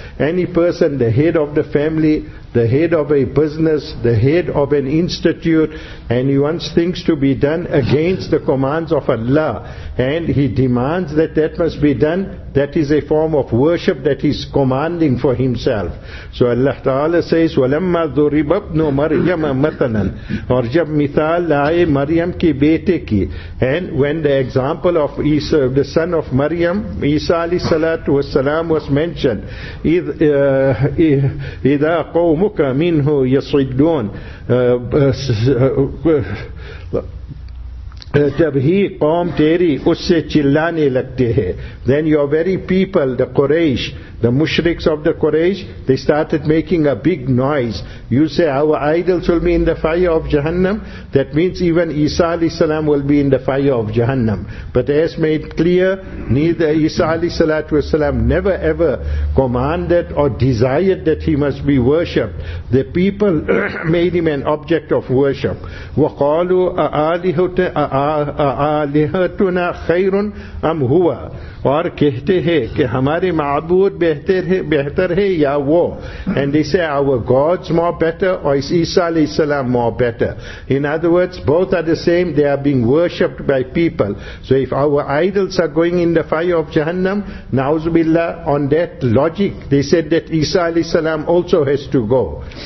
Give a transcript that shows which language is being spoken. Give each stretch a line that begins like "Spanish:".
English: Any person, the head of the family, the head of a business, the head of an institute, and he wants things to be done against the commands of Allah, and he demands that that must be done, that is a form of worship that he's commanding for himself.
Urdu: So Allah Ta'ala says,
Arabic: وَلَمَّا ذُرِبَ ابْنُ مَرْيَمَ مَثَلًا
Urdu: اور جب مثال لائے مریم کی بیٹے کی.
English: And when the example of Isa, the son of Maryam, Isa alayhi salatu wasalam, was mentioned,
Arabic: إِذَا قَوْمُكَ مِنْهُ يَصِدُّونَ
Urdu: جب ہی قوم تیری اس سے چلانے لگتے ہیں,
English: then your very people, the Quraysh, the mushriks of the Quraysh, they started making a big noise. You say our idols will be in the fire of Jahannam. That means even Isa alayhi salam will be in the fire of Jahannam. But as made clear, neither Isa alayhi salatu wasalam never ever commanded or desired that he must be worshipped. The people made him an object of worship.
Arabic: وَقَالُوا أَآلِهَتُنَا خَيْرٌ أَمْ هُوَ.
Urdu: اور کہتے ہیں کہ ہمارے معبود بہتر ہے یا وہ.
English: And they say our gods more better or is Isa alayhi salam more better. In other words, both are the same, they are being worshipped by people. So if our idols are going in the fire of Jahannam, na'uzu billah, on that logic they said that Isa alayhi salam also has to go.